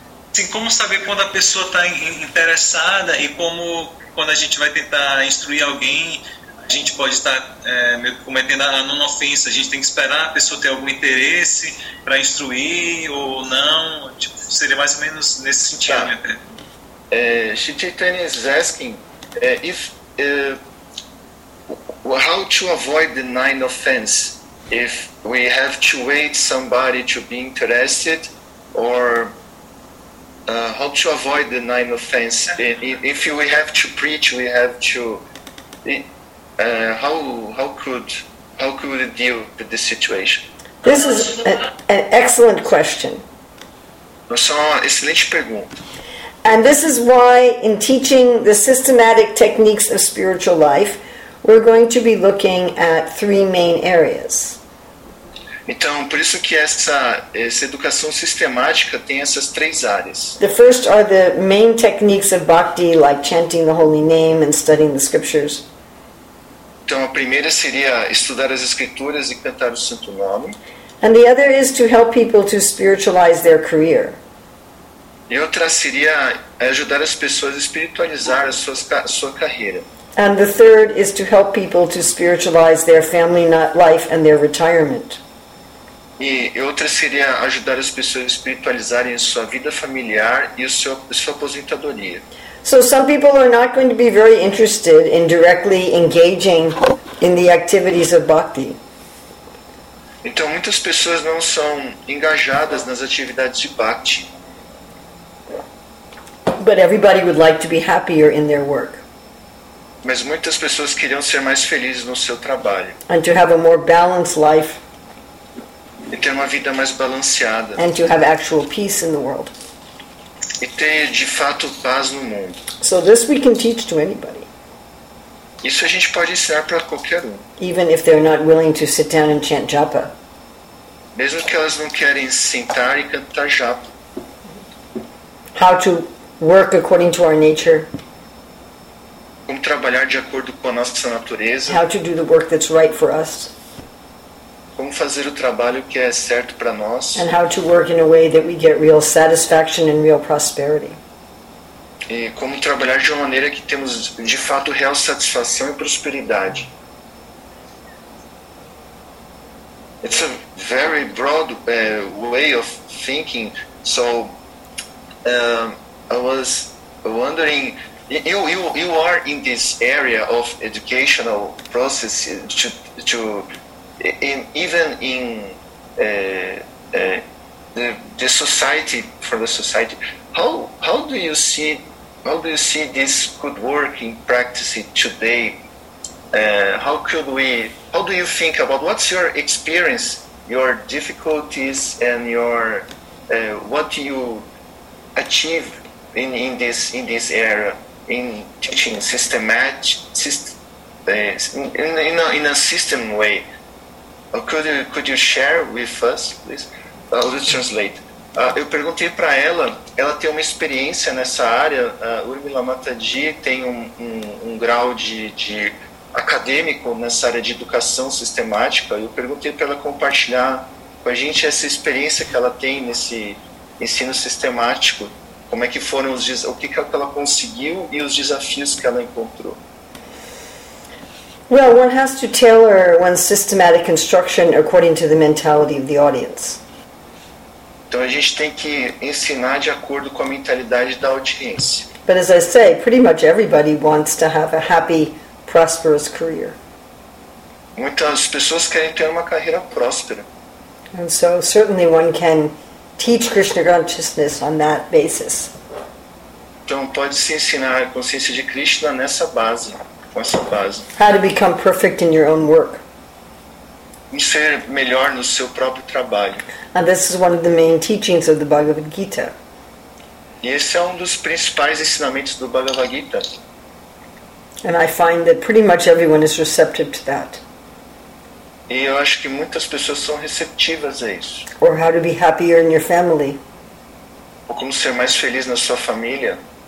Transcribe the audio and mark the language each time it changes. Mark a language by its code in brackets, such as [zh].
[pt] Assim, como saber quando a pessoa está interessada e como quando a gente vai tentar instruir alguém... A gente pode estar cometendo a nona ofensa, a gente tem que esperar a pessoa ter algum interesse para instruir ou não, tipo, seria mais ou menos nesse sentido. Tá. [en] Shri Chaitanya is asking how to avoid the nine offense if we have to wait somebody to be interested or how to avoid the nine offense if we have to preach, we have to how could it deal with this situation? This is an excellent question. [pt] Essa é uma excelente pergunta. [en] And this is why in teaching the systematic techniques of spiritual life, we're going to be looking at three main areas. [pt] Então, por isso que essa educação sistemática tem essas três áreas. [en] The first are the main techniques of bhakti, like chanting the holy name and studying the scriptures. [pt] Então, a primeira seria estudar as escrituras e cantar o santo nome. [en] And the other is to help people to spiritualize their career. [pt] E outra seria ajudar as pessoas a espiritualizar a sua carreira. [en] And the third is to help people to spiritualize their family life and their retirement. [pt] E outra seria ajudar as pessoas a espiritualizarem a sua vida familiar e sua aposentadoria. [en] So some people are not going to be very interested in directly engaging in the activities of bhakti. [pt] Então muitas pessoas não são engajadas nas atividades de bhakti. [en] But everybody would like to be happier in their work. [pt] Mas muitas pessoas queriam ser mais felizes no seu trabalho. [en] And to have a more balanced life. [pt] E ter uma vida mais balanceada. [en] And to have actual peace in the world. [pt] E ter, de fato, paz no mundo. [en] So this we can teach to anybody. [pt] Isso a gente pode ensinar para qualquer um. [en] Even if they're not willing to sit down and chant japa. [pt] Mesmo que elas não querem sentar e cantar japa. [en] How to work according to our nature. [pt] Como trabalhar de acordo com a nossa natureza. [en] How to do the work that's right for us. [pt] Como fazer o trabalho que é certo para nós. [en] And how to work in a way that we get real satisfaction and real prosperity. [pt] E como trabalhar de uma maneira que temos de fato real satisfação e prosperidade. [en] It's a very broad way of thinking. So I was wondering, you are in this area of educational process to even in the society, for the society. How do you see this could work in practice today? How do you think about, what's your experience, your difficulties, and your what you achieve in this area in teaching in a system way? Could you share with us, please? Let's translate. [pt] Eu perguntei para ela, ela tem uma experiência nessa área. Urmila Mataji tem um grau de acadêmico nessa área de educação sistemática. Eu perguntei para ela compartilhar com a gente essa experiência que ela tem nesse ensino sistemático. Como é que foram os desafios, o que ela conseguiu e os desafios que ela encontrou. [en] Well, one has to tailor one's systematic instruction according to the mentality of the audience. [pt] Então a gente tem que ensinar de acordo com a mentalidade da audiência. [en] But as I say, pretty much everybody wants to have a happy, prosperous career. [pt] Muitas pessoas querem ter uma carreira próspera. [en] And so certainly one can teach Krishna consciousness on that basis. [pt] Então pode-se ensinar a consciência de Krishna nessa base, com essa base. [en] How to become perfect in your own work. [pt] Em ser melhor no seu próprio trabalho. [en] And this is one of the main teachings of the Bhagavad Gita. [pt] E esse é um dos principais ensinamentos do Bhagavad Gita. [en] And I find that pretty much everyone is receptive to that. [pt] E eu acho que muitas pessoas são receptivas a isso. [en] Or how to be happier in your family. [pt] Ou como ser mais feliz na sua família.